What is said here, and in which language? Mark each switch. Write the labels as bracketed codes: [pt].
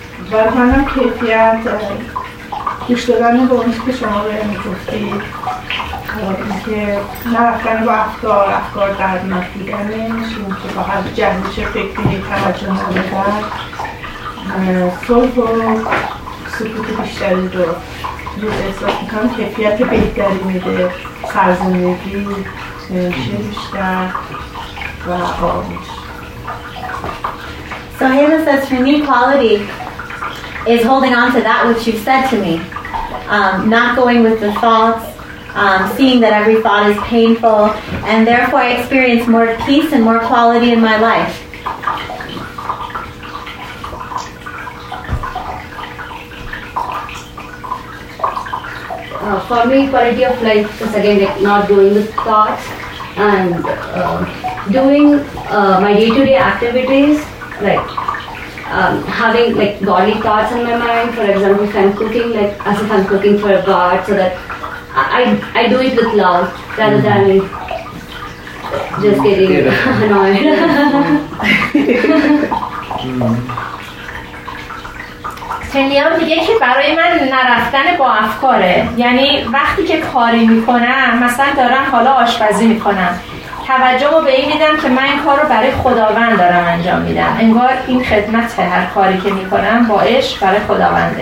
[fa] برای من کیفیت گوش دادن به اونی که شما به این گفتید اینکه نرفتن با افکار در نفیدنش اینکه با هر جنبش فکری توجه ندادن صلح و سکوت بیشتری رو یه احساس میکنم کیفیت بهتری میده سرزندگی شه بیشتر و آرامش. [en] So Hannah says, for me, quality is holding on to that which you've said to me. Not going with the thoughts, seeing that every thought is painful, and therefore I experience more peace and more quality in my life. For me, quality of life is again like not going with thoughts and doing my day-to-day activities, like having like godly thoughts in my mind. For example, if I'm cooking, like as if I'm cooking for God, so that I do it with love rather than just getting annoyed. [fa] تلیا میگه که برای من نرفتن با افکاره. یعنی وقتی که کاری میکنم، مثلا دارم حالا آشپزی میکنم، توجهمو به این میدم که من این کار رو برای خداوند دارم انجام میدم. انگار این خدمت هر کاری که میکنم با عشق برای خداونده.